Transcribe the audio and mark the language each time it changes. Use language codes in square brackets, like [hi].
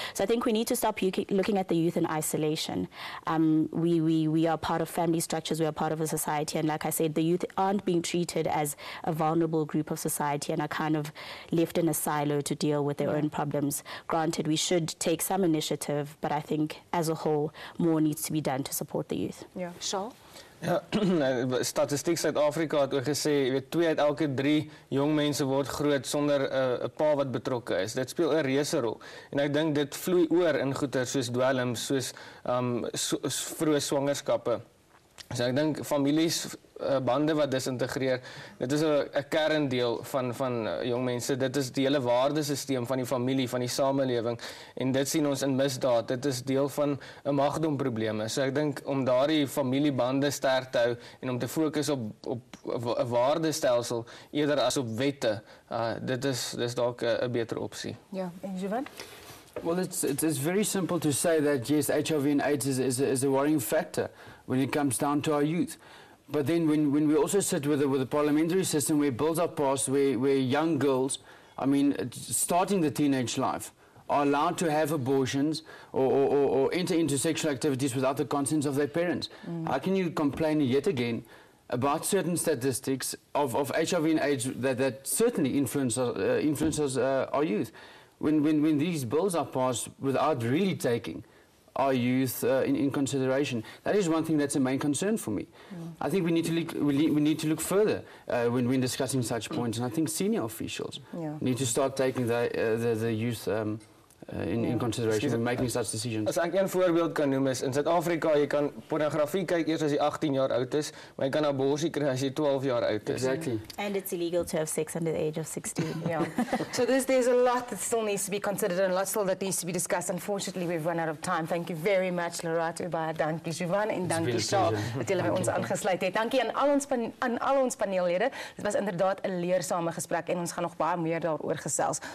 [en] So I think we need to stop looking at the youth in isolation. We are part of family structures, we are part of a society, and like I said, the youth aren't being treated as a vulnerable group of society and are kind of left in a silo to deal with their own problems. Granted, we should take some initiative, but I think as a whole, more needs to be done to support the youth. Yeah, sure. [af] Ja, Statistiek Suid-Afrika het ook gesê, jy weet, 2 uit elke 3 jong mense word groot sonder 'n pa wat betrokke is. Dit speel 'n reuse rol. En ek dink dit vloei oor in goeters soos dwelms, soos vroeë swangerskappe. So ek dink families bande wat disintegreer, dit is 'n kerndeel van jong mense. Dit is die hele waardesisteem van die familie, van die samelewing. En dit sien ons in misdaad. Dit is deel van 'n magdomprobleme. So ek dink om daardie familiebande sterk te hou en om te fokus op 'n waardestelsel eerder as op wette, dit is dalk 'n beter opsie. Ja, en Jovan? [en] Well, it's very simple to say that yes, HIV and AIDS is a worrying factor when it comes down to our youth. But then when we also sit with the parliamentary system where bills are passed, where young girls, I mean, starting the teenage life, are allowed to have abortions or enter into sexual activities without the consent of their parents. Mm. How can you complain yet again about certain statistics of HIV and AIDS that certainly influences our youth? When these bills are passed without really taking our youth in consideration, that is one thing that's a main concern for me. Mm. I think we need to look further when discussing such points, and I think senior officials need to start taking the youth in consideration when making such decisions. [af] As ek een voorbeeld kan noem is, in Suid-Afrika, jy kan pornografie kyk eers as jy 18 jaar oud is, maar jy kan abortie kry as jy 12 jaar oud is. [en] Exactly. And it's illegal to have sex under the age of 16. So there's a lot that still needs to be considered and a lot still that needs to be discussed. Unfortunately, we've run out of time. Thank you very much, Lerato. [af] Dankie, Jovan, en dankie, Shaw, dat jy by ons aangesluit het. Dankie aan al ons paneellede. Dit was inderdaad 'n leersame gesprek en ons gaan nog baie meer daaroor gesels.